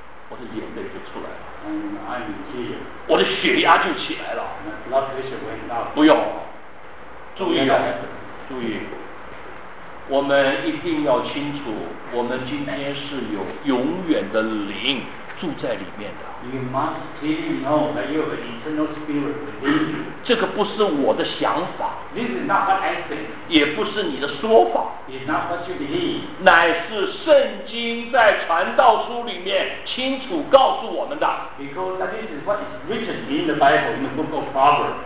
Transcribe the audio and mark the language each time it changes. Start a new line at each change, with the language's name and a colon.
Chinese: 我的眼泪就出来了。
English: And I'm tears.
Chinese: 我的血压就起来了。
English: My blood pressure went up.
Chinese: 不用，注意了，注意。我们一定要清楚，我们今天是有永远的灵住在里面的。
English: You must clearly know that you have an eternal spirit within you.
Chinese: 这个不是我的想法。
English: This is not what I think.
Chinese: 也不是你的说法。
English: It's not what you believe.
Chinese: 乃是圣经在传道书里面清楚告诉我们的。
English: Because this is what is written in the Bible, in the book of Proverbs.